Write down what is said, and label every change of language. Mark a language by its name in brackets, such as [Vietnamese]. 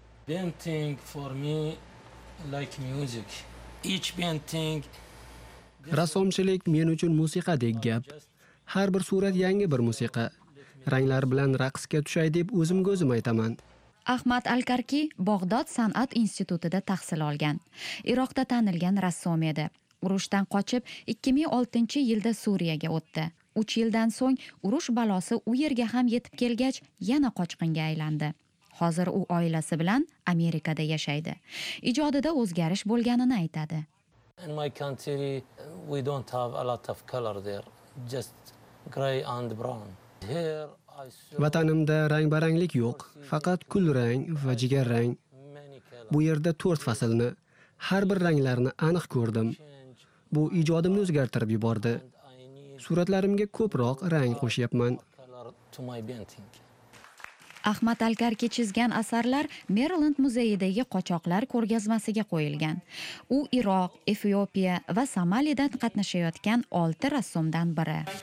[English] Painting for me like music. Each painting. [Uzbek] Rasomchilik men uchun musiqadek gap. Har bir surat yangi bir musiqa. Ranglar bilan raqsga tushay deb o'zim ko'zim aytaman. Ahmad Alkarkey Bog'dod san'at institutida tahsil olgan. Iroqda tanilgan rassom edi. Urushdan qochib 2006-yilda Suriyaga o'tdi. 3 yildan so'ng urush balosi u yerga ham yetib kelgach, yana qochqinga aylandi. Hozir u oilasi bilan Amerikada yashaydi. Ijodida o'zgarish bo'lganini aytadi. [English] In my country we don't have a lot of color there, just gray and brown. [Uzbek] Vatanimda rang-baranglik yo'q, faqat kulrang va jigarrang. Bu yerda 4 faslni, har bir ranglarni aniq ko'rdim. Bu ijodimni o'zgartirib yubordi. Suratlarimga ko'proq rang qo'shyapman. Ahmad Alkarkey chizgan asarlar Maryland muzeyidagi qochoqlar ko'rgazmasiga qo'yilgan. U Iroq, Efiopiya va Somalidan qatnashayotgan 6 rassomdan biri.